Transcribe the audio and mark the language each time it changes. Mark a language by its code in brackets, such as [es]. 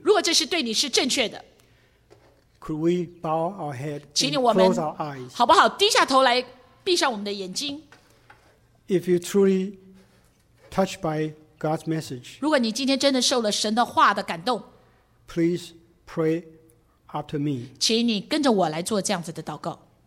[zh] 如果这是对你是正确的。 [en] Could we bow our head and close our eyes? [zh] 好不好？低下头来，闭上我们的眼睛。 [en] If you truly touched by God's message, [zh] 如果你今天真的受了神的话的感动， [en] please pray after me. [zh] 请你跟着我来做这样子的祷告。